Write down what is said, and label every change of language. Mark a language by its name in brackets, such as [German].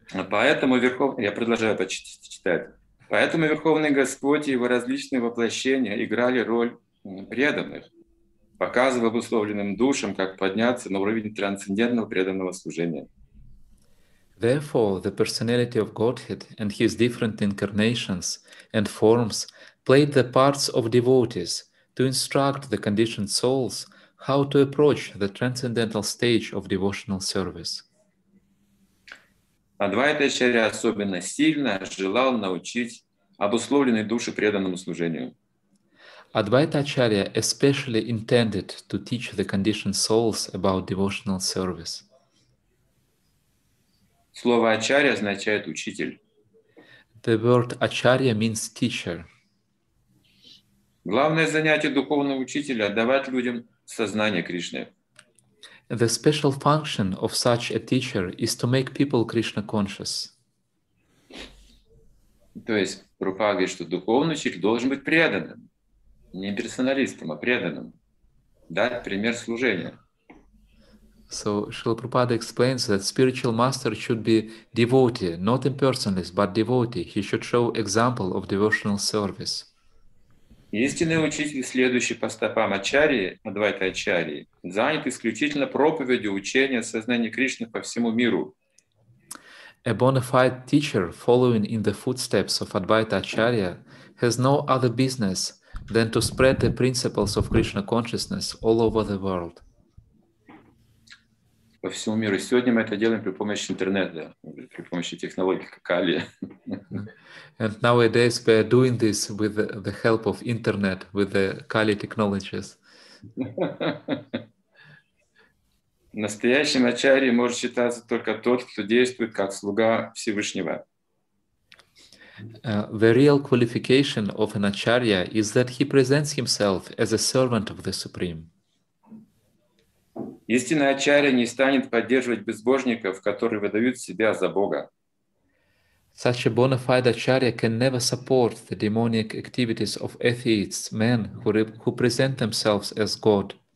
[Russian] Поэтому Верховный... Я продолжаю читать. Поэтому Верховный Господь и его различные воплощения играли роль преданных, показывая обусловленным душам, как подняться на уровень трансцендентного преданного служения. [English] Therefore, the personality of Godhead and his different incarnations and forms played the parts of devotees to instruct the conditioned souls how to approach the transcendental stage of devotional service. [Russian] Адвайта Ачарья особенно сильно желал научить обусловленные души преданному служению. [English] Адвайта Ачарья especially intended to teach the conditioned souls about devotional service. [Russian] Слово «ачарья» означает «учитель». [English] The word «ачарья» means «teacher». [Russian] Главное занятие духовного учителя – давать людям сознание Кришны. [English] The special function of such a teacher is to make people Krishna conscious. [Russian] То есть, Прабхупада говорит, что духовный учитель должен быть преданным. Не персоналистом, а преданным. Дать пример служения. [English] So Srila Prabhupada explains that spiritual master should be devotee, not impersonalist, but devotee. He should show example of devotional service. [Russian] Истинный учитель, следующий по стопам Ачарьи, Адвайта Ачарьи, занят исключительно проповедью учения сознания Кришны по всему миру. [English] A bona fide teacher following in the footsteps of Advaita Acharya has no other business than to spread the principles of Krishna consciousness all over the world. [Russian] По всему миру. Сегодня мы это делаем при помощи интернета, при помощи технологий Kali. [English] And nowadays we are doing this with the help of internet, with the Kali technologies. [Russian] Настоящим ачарьей может считаться только тот, кто действует как слуга Всевышнего. [English] The real qualification of an acharya is that he presents himself as a servant of the Supreme. [Russian] Истинный ачарья не станет поддерживать безбожников, которые выдают себя за Бога. [English] Such a bona fide acharya can never support the demonic activities of atheists, men who present themselves as God.